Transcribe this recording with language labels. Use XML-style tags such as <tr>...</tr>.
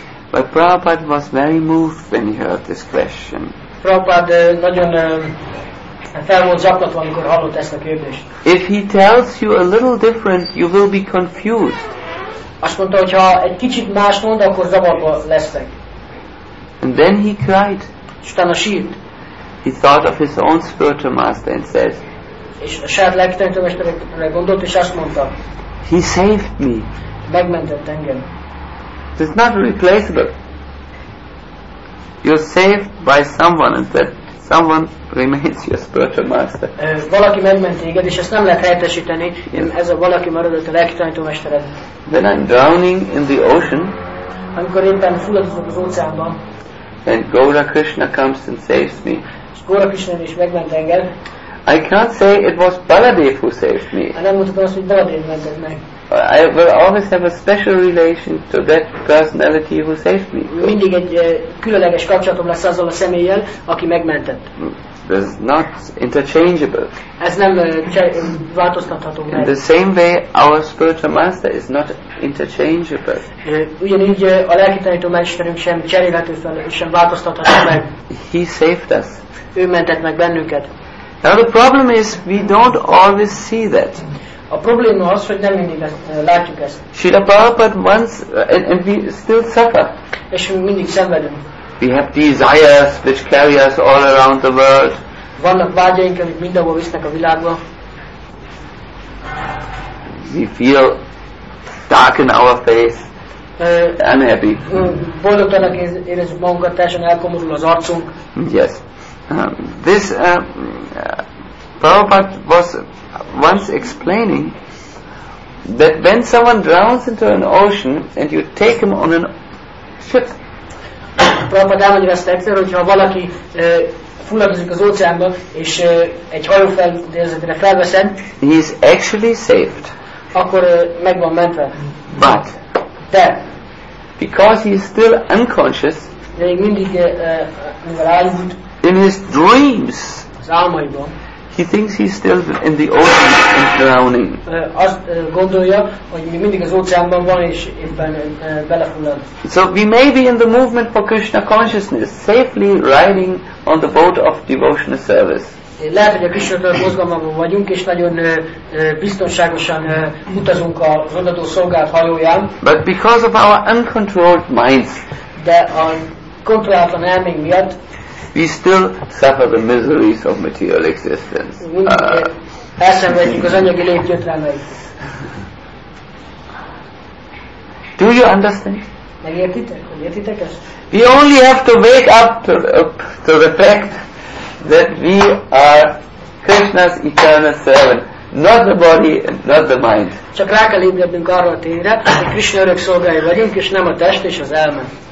<en>But Prabhupada was very moved when he heard this question.</en> <hu>Prabhupada nagyon fel volt zaklatva, amikor hallott ezt a kérdést.</hu> <en>If he tells you a little different, you will be confused.</en> <hu>Azt mondta, hogy ha egy kicsit más mond, akkor zavarba lesznek.</hu> <en>And then he cried.</en> <hu>És utána sírt.</hu> <en>He thought of his own spiritual master and said.</en> <hu>És a saját lelkitanító mesterre gondolt, és azt mondta.</hu> <en>He saved me.</en> <hu>Megmentett engem.</hu> <en>It's not replaceable. You're saved by someone, and that someone remains your spiritual master.</en> <hu>Valaki megment téged, és ezt nem lehet helyettesíteni. Ez a valaki maradott a lelkitanító mestered.</hu> <en>Then I'm drowning in the ocean.</en> <hu>Amikor éppen fulladozok az óceánban.</hu> <en>And Gaura Krishna comes and saves me.</en> <hu>Gaura Krishna is megment engem.</hu> <en>I can't say it was Baladev who saved me.</en> <hu>Nem mondhatom azt, hogy Baladev mentett meg.</hu> <en>I will always have a special relation to that personality who saved me.</en> <hu>Mindig egy különleges kapcsolatom lesz azzal a személlyel, aki megmentett.</hu> <en>It's not interchangeable.</en> <hu>Ez nem változtatható meg.</hu> <en>In the same way, our spiritual master is not interchangeable.</en> <hu>Ugyanígy a lelki tanító mesterünk sem cserélhető fel, sem változtatható meg.</hu> <en>He saved us.</en> <hu>Ő mentett meg bennünket.</hu> <en>Now the problem is, we don't always see that.</en> <hu>A probléma az, hogy nem mindig látjuk ezt.</hu> <en>Srila Prabhupada once, and we still suffer.</en> <hu>És mindig szenvedünk.</hu> <en>We have desires which carry us all around the world.</en> <hu>Vannak vágyaink, amik mindenhol visznek a világba.</hu> <en>We feel dark in our face. Unhappy.</en> <hu>Boldogtalanak érezzük magunkat, teljesen elkomorul az arcunk.</hu> <en>Yes. This Prabhupada was once explaining that when someone drowns into an ocean and you take him on a ship,</en> <hu>Prabhupada mondja ezt egyszer, hogyha valaki fulladozik az óceánba és egy hajófedélzetre felveszed,</hu> <en>he is actually saved.</en> <hu>Akkor meg van mentve.</hu> <en>But</en> <hu>de</hu> <en>because he is still unconscious,</en> <hu>még mindig álmodik.</hu> <en>In his dreams,</en> <hu>az álmaiban,</hu> <en>he thinks he's still in the ocean and drowning.</en> <hu>Azt gondolja, hogy mindig az óceánban van és éppen belefullad.</hu> <en>So we may be in the movement for Krishna consciousness, safely riding on the boat of devotional service.</en> <hu>Lehet, hogy a Krishna mozgalmában vagyunk és nagyon biztonságosan utazunk az odaadó szolgált hajóján.</hu> <en>But because of our uncontrolled minds,</en> <hu>de a kontrollálatlan elménk miatt,</hu> <en>we still suffer the miseries of material existence.</en> <hu>Elszenvedjük az anyagi létgyötrelmeit.</hu> <en>Do you understand?</en> <hu>Megértitek? Hogy értitek ezt?</hu> <en>We only have to wake up to the fact that we are Krishna's eternal servant, not the body, not the mind.</en> <hu>Csak rá kell ébrednünk arra a tényre, hogy Krishna örök szolgái vagyunk, és nem a test és az elme.</hu>